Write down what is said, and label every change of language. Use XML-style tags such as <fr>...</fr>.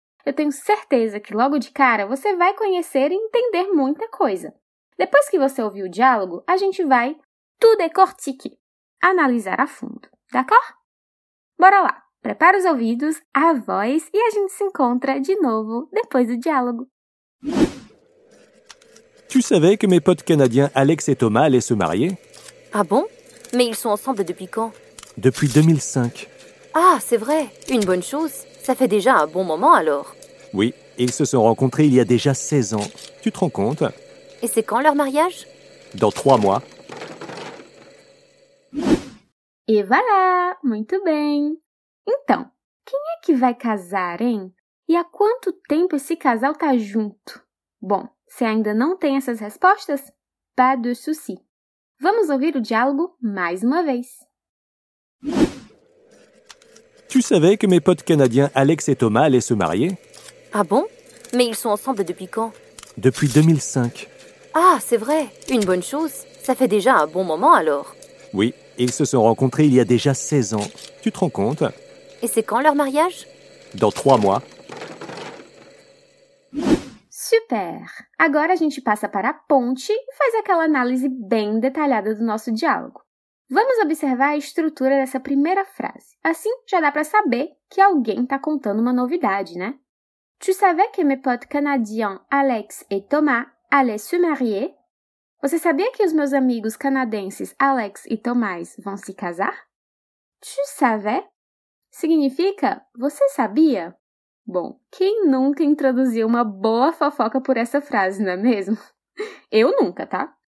<pt>Eu tenho certeza que logo de cara você vai conhecer e entender muita coisa. Depois que você ouvir o diálogo, a gente vai</pt> <fr>tout décortiquer,</fr> <pt>analisar a fundo,</pt> <fr>d'accord?</fr> <pt>Bora lá, prepara os ouvidos, a voz e a gente se encontra de novo depois do diálogo.</pt> <fr>Tu savais que mes potes canadiens Alex et Thomas allaient se marier? Ah bon? Mais ils sont ensemble depuis quand? Depuis 2005. Ah, c'est vrai, une bonne chose. Ça fait déjà un bon moment alors. Oui, ils se sont rencontrés il y a déjà 16 ans. Tu te rends compte? Et c'est quand leur mariage? Dans 3 mois. Et voilà,</fr> <pt>muito bem. Então, quem é que vai casar, hein? E há quanto tempo esse casal tá junto? Bom, se ainda não tem essas respostas,</pt> <fr>pas de souci.</fr> <pt>Vamos ouvir o diálogo mais uma vez.</pt> <fr>Tu savais que mes potes canadiens Alex et Thomas allaient se marier? Ah bon? Mais ils sont ensemble depuis quand? Depuis 2005. Ah, c'est vrai, une bonne chose. Ça fait déjà un bon moment alors. Oui, ils se sont rencontrés il y a déjà 16 ans. Tu te rends compte? Et c'est quand leur mariage? Dans 3 mois. Super!</fr> <pt>Agora a gente passa para a ponte e faz aquela análise bem detalhada do nosso diálogo. Vamos observar a estrutura dessa primeira frase. Assim, já dá para saber que alguém está contando uma novidade, né?</pt> <fr>Tu savais que mes potes canadiens Alex et Thomas allaient se marier?</fr> <pt>Você sabia que os meus amigos canadenses Alex e Thomas vão se casar?</pt> <fr>Tu savais?</fr> <pt>Significa, você sabia? Bom, quem nunca introduziu uma boa fofoca por essa frase, não é mesmo? Eu nunca, tá?</pt>